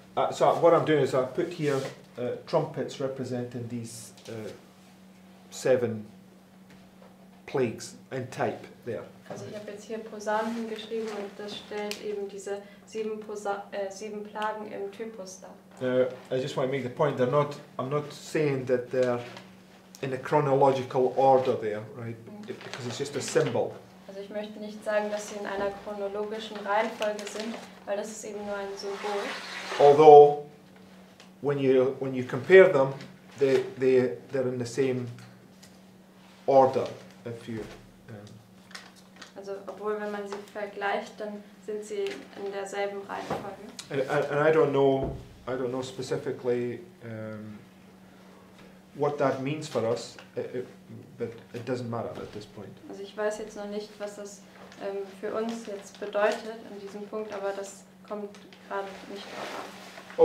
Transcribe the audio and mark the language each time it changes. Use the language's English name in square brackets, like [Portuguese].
[English] So what I'm doing is I put here trumpets representing these seven plagues in type there. [German] Also ich habe jetzt hier Posaunen hingeschrieben und das stellt eben diese sieben Plagen im Typus dar. [English] I just want to make the point, I'm not saying that they're in a chronological order there, right? Because it's just a symbol. [German] Also ich möchte nicht sagen, dass sie in einer chronologischen Reihenfolge sind, weil das ist eben nur ein Symbol. [English] Although, when you compare them, they're in the same order, if you. [German] Also obwohl wenn man sie vergleicht, dann sind sie in derselben Reihenfolge. [English] And I don't know specifically what that means for us, but it doesn't matter at this point. [German] Also ich weiß jetzt noch nicht, was das für uns jetzt bedeutet an diesem Punkt, aber das kommt gerade nicht drauf an.